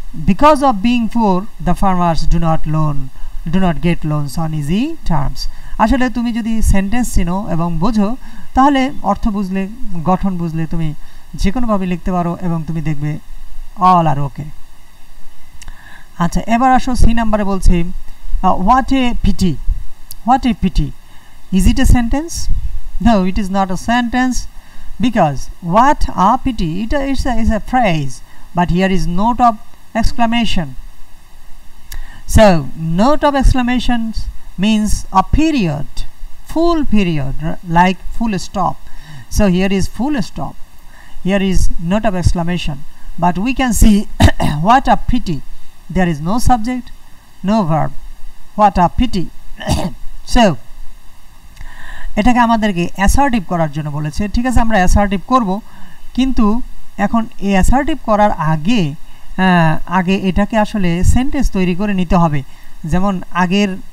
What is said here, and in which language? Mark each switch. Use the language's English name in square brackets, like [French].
[English] because of being poor the farmers do not get loans on easy terms [Bangla] আসলে তুমি যদি sentence চিনো এবং বোঝো তাহলে অর্থ বুঝলে গঠন বুঝলে তুমি যে কোনোভাবে লিখতে পারো এবং তুমি দেখবে [English] all are okay [Bangla] আচ্ছা এবার আসো সি নাম্বারে বলছি [English] What a pity. Is it a sentence? No, it is not a sentence. Because what a pity, it is a phrase. But here is note of exclamation. So, note of exclamation means a period, full period, like full stop. So, here is full stop. Here is note of exclamation. But we can see what a pity. There is no subject, no verb. What a pity. [Bangla] So, এটাকে আমাদেরকে assertive করার জন্য বলেছে ঠিক আছে আমরা assertive করব কিন্তু এখন এই অ্যাসার্টিভ করার আগে আগে এটাকে আসলে সেন্টেন্স তৈরি করে নিতে হবে যেমন আগের